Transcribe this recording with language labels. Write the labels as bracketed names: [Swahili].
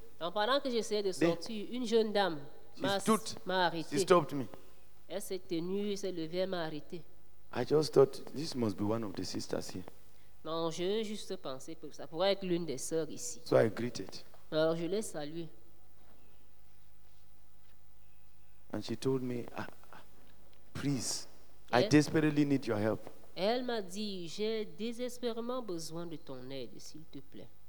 [French] En parlant que j'essayais de sortir, une jeune dame m'a arrêté. [English] She stopped me. [French] Elle s'est tenue, s'est levée, elle m'a arrêté. [English] I just thought this must be one of the sisters here. [French] Non, j'ai juste pensé que ça pourrait être l'une des sœurs ici. [English] So I greeted. [French] Alors je l'ai saluée. [English] And she told me, please, I desperately need your help. [French] Elle m'a dit, j'ai désespérément besoin de ton aide, s'il te plaît.